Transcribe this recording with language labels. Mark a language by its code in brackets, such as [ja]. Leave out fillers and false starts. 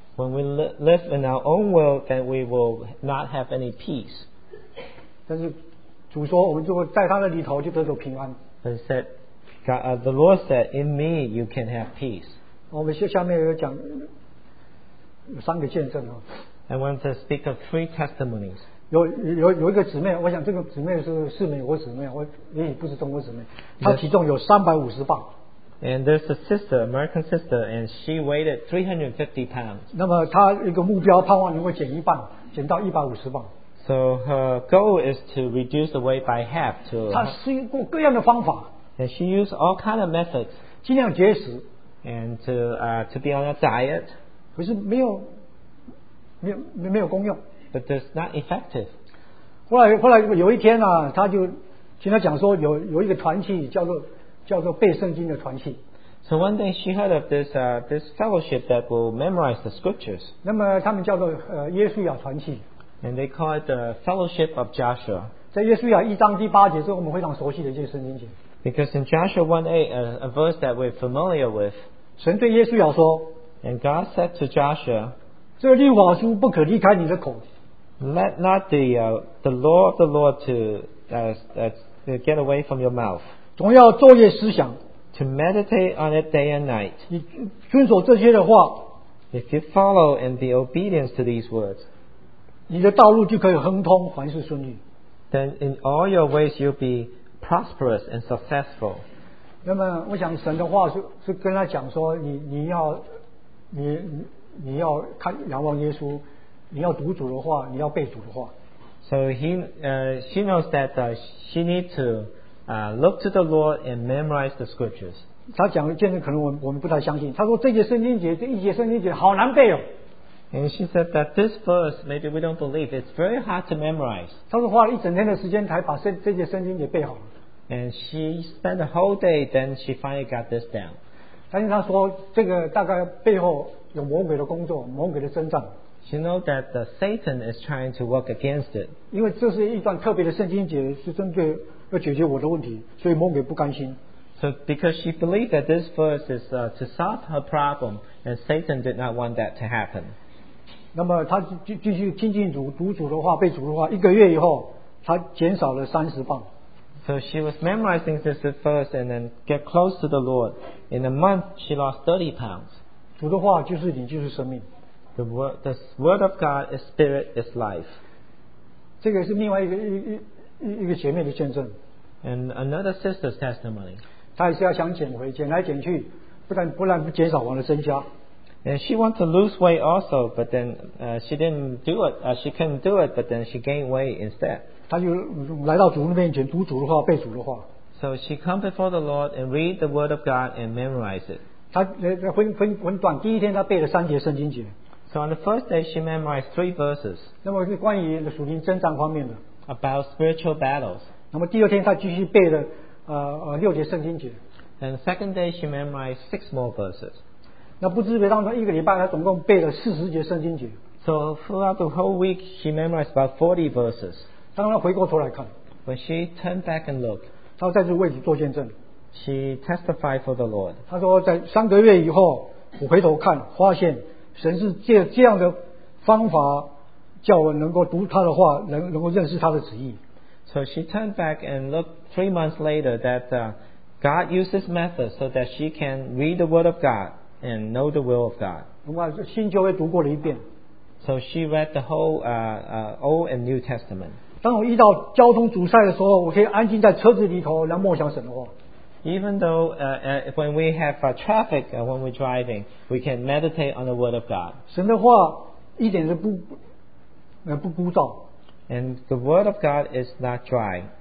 [en] When we live in our own world, then we will not have any peace. [zh] 但是主说，我们就在他的里头就得到平安。 [en] But he said, the Lord said, in me you can have peace. [zh] 我们下面有讲三个见证啊。 [en] I want to speak of three testimonies. [zh] 有一个姊妹，我想这个姊妹是美国姊妹，我也不是中国姊妹。她体重有350磅。 [en] And there's a sister, American sister, and she weighed 350 pounds. [zh] 那么她一个目标, 盼望能够减一半, 减到150磅。 [en] So her goal is to reduce the weight by half to. [zh] 她试过各样的方法, [en] and she used all kind of methods. [zh] 尽量节食, [en] and to be on a diet. [zh] 可是没有功用, [en] but it's not effective. [zh] 后来有一天啊, 她就, 听他讲说有一个团契叫做背圣经的团契。 [en] So one day she heard of this this fellowship that will memorize the scriptures. [zh] 那么他们叫做耶稣亚团契。 [en] And they call it the Fellowship of Joshua. [zh] 在耶稣亚一章第八节是我们非常熟悉的一些圣经节。 [en] Because in Joshua 1:8, a verse that we're familiar with. [zh] 神对耶稣亚说, [en] and God said to Joshua, [zh] 这律法书不可离开你的口。 [en] Let not the law of the Lord to get away from your mouth. [zh] 总要昼夜思想, [en] to meditate on it day and night. [zh] 你遵守这些的话, [en] if you follow and be obedient to these words, [zh] 你的道路就可以亨通, [en] then in all your ways you'll be prosperous and successful. [zh] 那么我想神的话是跟他讲说, 你要仰望耶稣, 你要读主的话, 你要背主的话。 [en] So she knows that she needs to look to the Lord and memorize the scriptures. [zh] 他讲的见证可能我们不太相信, 他说这节圣经节, 这一节圣经节, 好难背哦。 [en] And she said that this verse, maybe we don't believe, it's very hard to memorize. [zh] 他说花了一整天的时间才把这节圣经节背好了。 [en] And she spent the whole day, then she finally got this down. [zh] 但是他说这个大概背后有魔鬼的工作, 魔鬼的征战。 [en] She knows that Satan is trying to work against it. [zh] 因为这是一段特别的圣经节, 是针对, 要解决我的问题, 所以魔鬼不甘心。 [en] So because she believed that this verse is to solve her problem, and Satan did not want that to happen. [zh] 那么她继续亲近主, 读主的话, 背主的话, 一个月以后, 她减少了30磅。 [en] So she was memorizing this verse and then get close to the Lord. In a month, she lost 30 pounds. [zh] 主的话就是你, 就是生命。 [en] The word of God is spirit, is life. [zh] 这个是另外一个姐妹的见证。 [en] And another sister's testimony. [zh] 她也是要想减回, 减来减去, 不然不减少往的增加。 [en] And she wants to lose weight also, but then she couldn't do it, but then she gained weight instead. [zh] 她就来到主那边前, 读主的话, 背主的话。 [en] So she comes before the Lord and read the word of God and memorize it. [zh] 她很短, 第一天她背了三节圣经节。 [en] So on the first day, she memorized 3 verses. [zh] 那么是关于属灵征战方面的, [en] about spiritual battles. [zh] 那么第二天她继续背了, 6节圣经节。 [en] And the second day, she memorized 6 more verses. [zh] 那不知不觉当中一个礼拜她总共背了40节圣经节。 [en] So throughout the whole week, she memorized about 40 verses. [zh] 当她回过头来看, [en] when she turned back and looked, [zh] 她再次为主做见证, [en] she testified for the Lord. [zh] 她说在3个月以后, 我回头看, 发现, 神是借这样的方法, 叫我能够读他的话, 能够认识他的旨意。 [en] So she turned back and looked 3 months later that God used this method so that she can read the word of God and know the will of God. [zh] 新旧约读过了一遍。 [en] So she read the whole Old and New Testament. [zh] 当我遇到交通阻塞的时候, 我可以安静在车子里头, 然后默想神的话。 [en] Even though when we have traffic, when we're driving, we can meditate on the word of God. [zh] 神的话一点都不枯燥。 [en] And the word of God is not dry.